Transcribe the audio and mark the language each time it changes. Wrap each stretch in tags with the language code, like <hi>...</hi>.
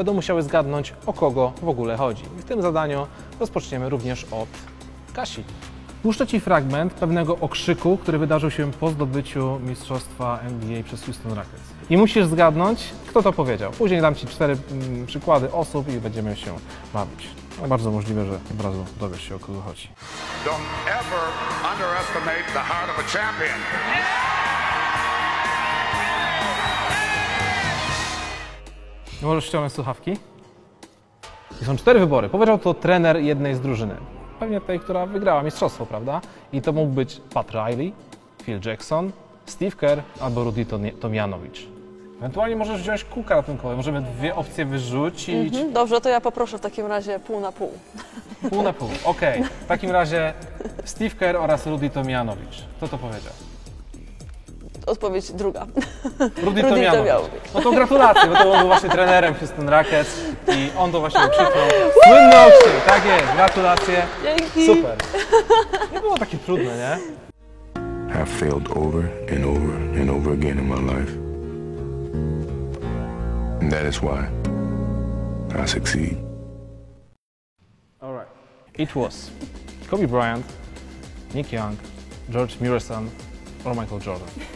<pl>Będą musiały zgadnąć, o kogo w ogóle chodzi. W tym zadaniu rozpoczniemy również od Kasi. Puszczę ci fragment pewnego okrzyku, który wydarzył się po zdobyciu mistrzostwa NBA przez Houston Rockets. I musisz zgadnąć, kto to powiedział. Później dam ci cztery przykłady osób i będziemy się bawić. Bardzo możliwe, że od razu dowiesz się, o kogo chodzi.</pl> <en>Don't ever underestimate the heart of a champion.</en> <pl>Możesz ściągnąć słuchawki. I są cztery wybory. Powiedział to trener jednej z drużyny. Pewnie tej, która wygrała mistrzostwo, prawda? I to mógł być Pat Riley, Phil Jackson, Steve Kerr albo Rudy Tomjanowicz. Ewentualnie możesz wziąć kółka ratunkowe. Możemy dwie opcje wyrzucić. Mhm, dobrze, to ja poproszę w takim razie pół na pół. Pół na pół, okej. Okay. W takim razie Steve Kerr oraz Rudy Tomjanowicz. Kto to powiedział? Odpowiedź druga. Rudy Tomjanowicz. No to gratulacje, bo to on był właśnie trenerem Houston Rockets i on to właśnie okrzyknął. Słynny okrzyk, tak jest, gratulacje. Dzięki. Super. Nie było takie trudne, nie?</pl> <en>I've failed over and over and over again in my life. And that is why I succeed. All right. It was Kobe Bryant, Nick Young, George Mureson, or Michael Jordan.</en>